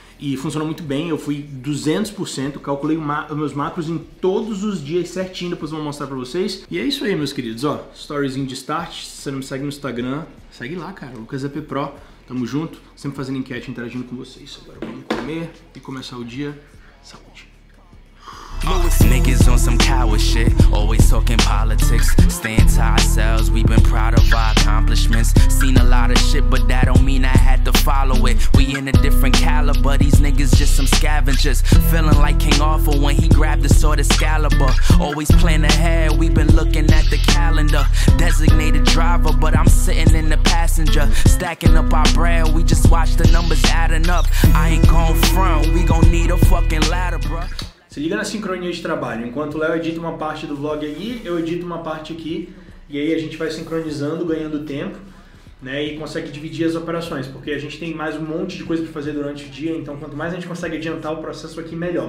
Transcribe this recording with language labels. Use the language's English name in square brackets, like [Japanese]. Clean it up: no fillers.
[Portuguese] E funcionou muito bem, eu fui 200%, calculei os meus macros em todos os dias certinho, depois eu vou mostrar pra vocês. E é isso aí, meus queridos, ó, storyzinho de start, se você não me segue no Instagram, segue lá, cara, LucasAppPro, tamo junto, sempre fazendo enquete, interagindo com vocês. Agora vamos comer e começar o dia, saúde. [English] Niggas on some coward shit, always talking politics. Stand to ourselves, we've been proud of our accomplishments. Seen a lot of shit, but that don't mean I had to follow it. We in a different caliber, these niggas just some scavengers. Feeling like King Arthur when he grabbed the sword Excalibur. Always plan ahead, we've been looking at the calendar. Designated driver, but I'm sitting in the passenger. Stacking up our bread, we just watch the numbers adding up. I ain't gon' front, we gon' need a fucking ladder, bruh. [Portuguese] Se liga na sincronia de trabalho. Enquanto o Léo edita uma parte do vlog aí, eu edito uma parte aqui. E aí a gente vai sincronizando, ganhando tempo, né? E consegue dividir as operações. Porque a gente tem mais um monte de coisa pra fazer durante o dia. Então, quanto mais a gente consegue adiantar o processo aqui, melhor.